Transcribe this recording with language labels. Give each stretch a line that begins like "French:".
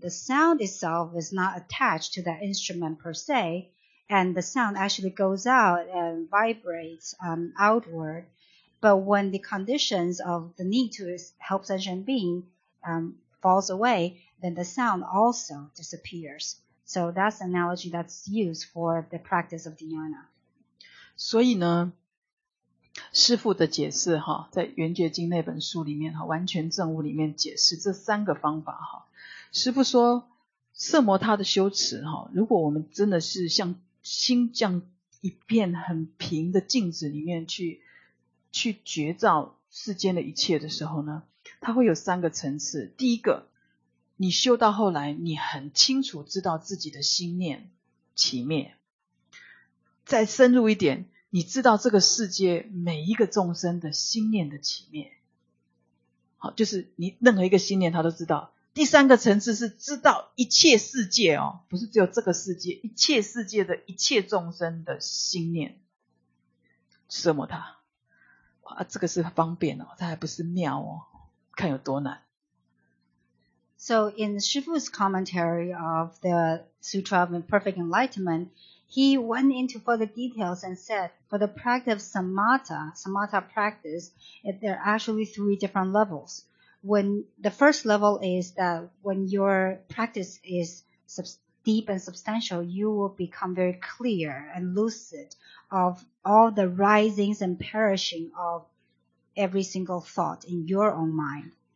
English: The sound itself is not attached to that instrument per se, and the sound actually goes out and vibrates outward. But when the conditions of the need to help sentient being falls away, then the sound also disappears. So that's an analogy that's used for the practice of dhyana.
Chinese: 所以呢, 师父的解释, 在《圆觉经》那本书里面, 完全证悟里面解释这三个方法。师父说, 色摩他的修持, 如果我们真的是像心这样一片很平的镜子里面去觉照世间的一切的时候呢, 它会有三个层次, 第一个, 你修到后来, 你很清楚知道自己的心念起灭, 再深入一点, 你知道这个世界每一个众生的心念的起灭，好，就是你任何一个心念他都知道。第三个层次是知道一切世界哦，不是只有这个世界，一切世界的一切众生的心念，什么它，哇，这个是方便哦，它还不是妙哦，看有多难。
English: So in Shifu's commentary of the Sutra of Imperfect Enlightenment, he went into further details and said, for the practice of Samatha, Samatha practice, there are actually three different levels. When the first level is that when your practice is deep and substantial, you will become very clear and lucid of all the risings and perishing of every single thought in your own mind.